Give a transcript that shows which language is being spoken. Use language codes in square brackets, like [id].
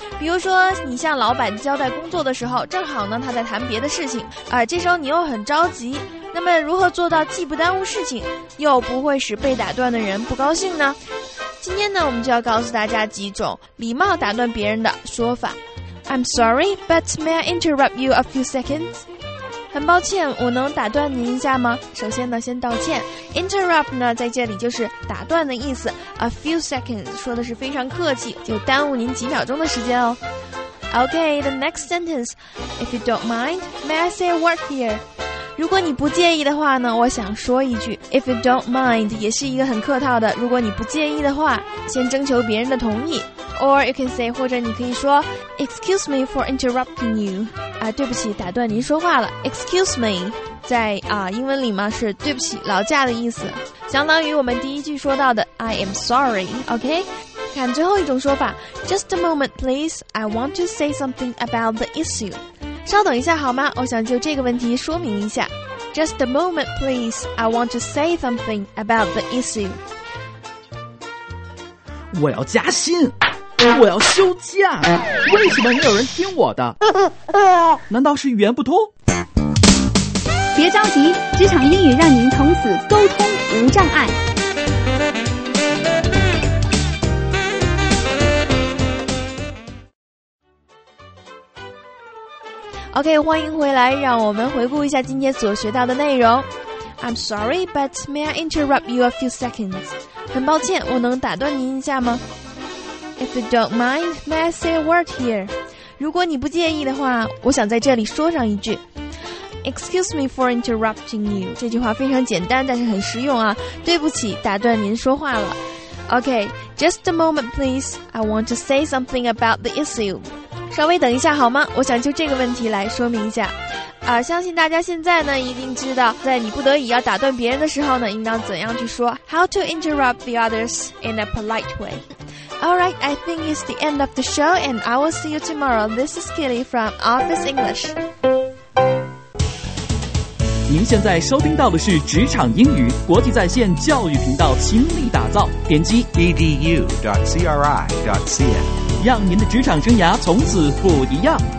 [zh] 比如说，你向老板交代工作的时候，正好呢他在谈别的事情，这时候你又很着急。那么，如何做到既不耽误事情，又不会使被打断的人不高兴呢？今天呢，我们就要告诉大家几种礼貌打断别人的说法。 [en] I'm sorry, but may I interrupt you a few seconds? [zh] 很抱歉，我能打断您一下吗？首先呢，先道歉。Interrupt 呢，在这里就是打断的意思。 [en] A few seconds [zh] 说的是非常客气，就耽误您几秒钟的时间哦。 [en] Okay, the next sentence. If you don't mind, may I say a word here? [zh] 如果你不介意的话呢，我想说一句。 If you don't mind 也是一个很客套的，如果你不介意的话，先征求别人的同意。 [en] Or you can say, [zh] 或者你可以说 [en] Excuse me for interrupting you. [zh] 对不起，打断您说话了。Excuse me, 在英文里嘛是对不起，劳驾的意思。相当于我们第一句说到的 [en] I am sorry, OK? [zh] 看最后一种说法 [en] Just a moment, please. I want to say something about the issue. [zh] 稍等一下好吗？我想就这个问题说明一下。 [en] Just a moment, please. I want to say something about the issue. [zh] 我要加薪。我要休假，为什么没有人听我的？难道是语言不通？别着急，职场英语让您从此沟通无障碍。 OK， 欢迎回来，让我们回顾一下今天所学到的内容。 [en] I'm sorry, but may I interrupt you a few seconds? [zh] 很抱歉，我能打断您一下吗？ [en] If you don't mind, may I say a word here? [zh] 如果你不介意的话，我想在这里说上一句。 [en] Excuse me for interrupting you. [zh] 这句话非常简单，但是很实用啊。对不起，打断您说话了。 [en] Okay, just a moment, please. I want to say something about the issue. [zh] 稍微等一下好吗？我想就这个问题来说明一下。相信大家现在呢，一定知道，在你不得已要打断别人的时候呢，应当怎样去说。 [en] How to interrupt the others in a polite way. Alright, I think it's the end of the show, and I will see you tomorrow. This is Kelly from Office English. [zh] 您现在收听到的是职场英语国际在线教育频道倾力打造，点击 [en] edu.cri.cn， [zh] 让您的职场生涯从此不一样。